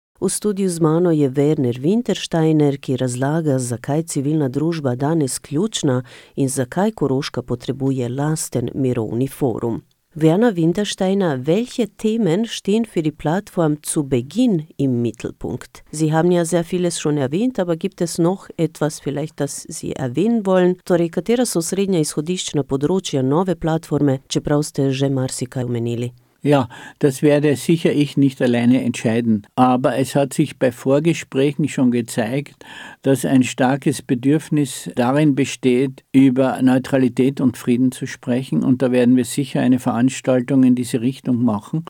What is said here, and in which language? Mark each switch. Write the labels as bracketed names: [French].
[Slovenian] V studiju z mano je Werner Wintersteiner, ki razlaga, zakaj civilna družba danes ključna in zakaj Koroška potrebuje lasten mirovni forum. [German] Werner Wintersteiner, welche Themen stehen für die Plattform zu Beginn im Mittelpunkt? Sie haben ja sehr vieles schon erwähnt, aber gibt es noch etwas vielleicht, das Sie erwähnen wollen? [Slovenian] Torej, katera so srednja izhodiščna področja nove platforme, čeprav ste že marsikaj omenili? [German] Ja, das werde sicher ich nicht alleine entscheiden. Aber es hat sich bei Vorgesprächen schon gezeigt, dass ein starkes Bedürfnis darin besteht, über Neutralität und Frieden zu sprechen. Und da werden wir sicher eine Veranstaltung in diese Richtung machen.